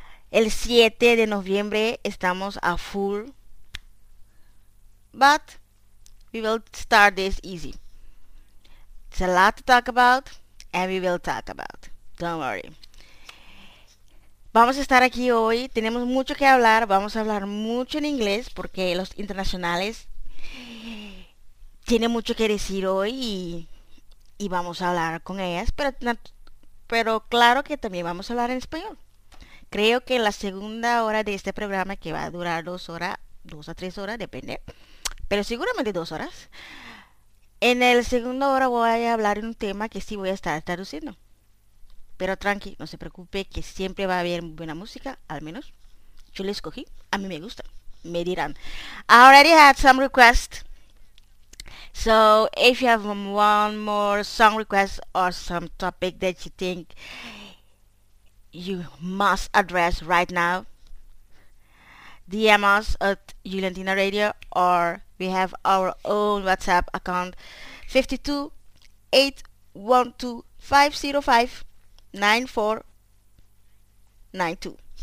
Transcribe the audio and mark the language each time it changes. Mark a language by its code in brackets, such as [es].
[es] El 7 de noviembre, estamos a full. [en] But, we will start this easy. It's a lot to talk about, and we will talk about. Don't worry. [es] Vamos a estar aquí hoy. Tenemos mucho que hablar. Vamos a hablar mucho en inglés porque los internacionales tienen mucho que decir hoy y vamos a hablar con ellas. Pero claro que también vamos a hablar en español. Creo que en la segunda hora de este programa, que va a durar 2 a 3 horas, depende, pero seguramente 2 horas. En el segundo hora voy a hablar de un tema que sí voy a estar traduciendo. Pero tranqui, no se preocupe, que siempre va a haber buena música, al menos yo la escogí, a mí me gusta, me dirán. [en] I already had some requests, so if you have one more song request or some topic that you think you must address right now, DM us at Juliantina Radio, or we have our own WhatsApp account, 52 812 505 9492.